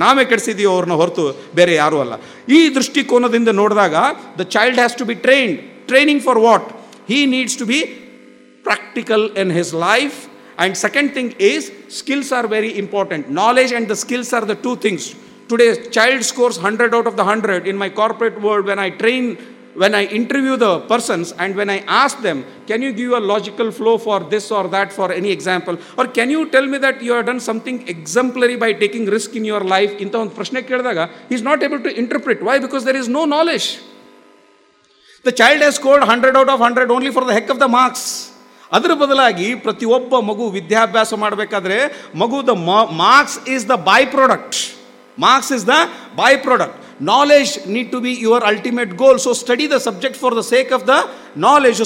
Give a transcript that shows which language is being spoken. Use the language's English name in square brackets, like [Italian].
[Kannada] ನಾವೇ ಕೆಡಿಸಿದೀವೋ ಅವ್ರನ್ನ ಹೊರತು ಬೇರೆ ಯಾರೂ ಅಲ್ಲ. ಈ ದೃಷ್ಟಿಕೋನದಿಂದ ನೋಡಿದಾಗ [English] The child has to be trained. Training for what? He needs to be practical in his life. And second thing is skills are very important. Knowledge and the skills are the two things. Today child scores 100 out of 100 in my corporate world. When I train, when I interview the persons and when I ask them, can you give a logical flow for this or that, for any example, or can you tell me that you have done something exemplary by taking risk in your life, [Kannada] inta on prashne kelidaga [English] he is not able to interpret. Why? Because there is no knowledge. The child has scored 100 out of 100 only for the heck of the marks. [Kannada] ಅದರ ಬದಲಾಗಿ ಪ್ರತಿಯೊಬ್ಬ ಮಗು ವಿದ್ಯಾಭ್ಯಾಸ ಮಾಡಬೇಕಾದ್ರೆ ಮಗು [English] The marks is the by product. Marks is the by product. Knowledge need to be your ultimate goal. So study the subject for the sake of the knowledge.